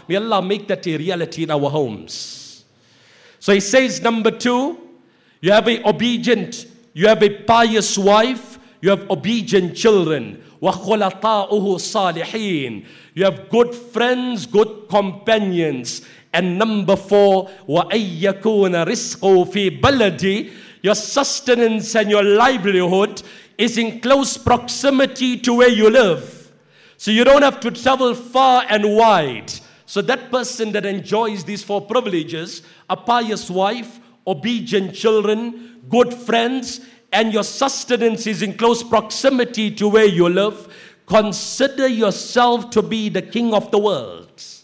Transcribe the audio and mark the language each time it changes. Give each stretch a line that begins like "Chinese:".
English: May Allah make that a reality in our homes. So he says, number two, you have a pious wife, you have obedient children.
Arabic: وَخُلَطَاؤُهُ صَالِحِينَ.
English: You have good friends, good companions. And number four,
Arabic: وَأَيَّكُونَ رِزْقُ فِي بَلَدِي.
English: Your sustenance and your livelihood is in close proximity to where you live. So you don't have to travel far and wide. So that person that enjoys these four privileges, a pious wife, obedient children, good friends, and your sustenance is in close proximity to where you live, consider yourself to be the king of the world.